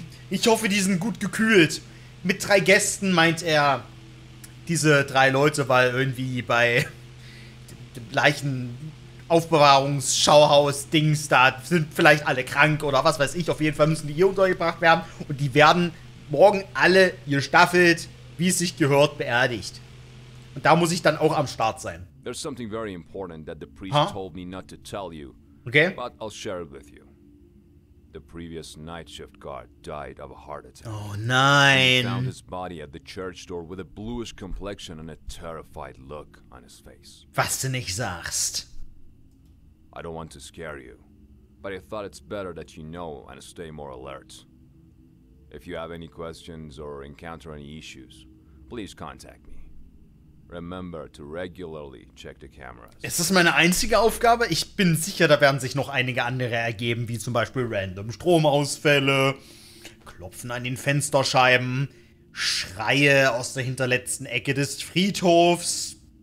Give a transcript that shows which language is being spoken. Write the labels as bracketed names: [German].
[German] Ich hoffe, die sind gut gekühlt. Mit 3 Gästen meint er diese 3 Leute, weil irgendwie bei dem gleichen Aufbewahrungsschauhaus-Dings da sind vielleicht alle krank oder was weiß ich. Auf jeden Fall müssen die hier untergebracht werden und die werden morgen alle gestaffelt, wie es sich gehört, beerdigt. Und da muss ich dann auch am Start sein. [English] There's something very important that the priest told me not to tell you. Okay. But I'll share it with you. The previous night shift guard died of a heart attack. [German] Oh nein. [English] He found his body at the church door with a bluish complexion and a terrified look on his face. [German] Was du nicht sagst. [English] I don't want to scare you, but I thought it's better that you know and stay more alert. If you have any questions or encounter any issues, please contact me. Remember to regularly check the cameras. [German] Ist das meine einzige Aufgabe? Ich bin sicher, da werden sich noch einige andere ergeben, wie zum Beispiel random Stromausfälle, Klopfen an den Fensterscheiben, Schreie aus der hinterletzten Ecke des Friedhofs.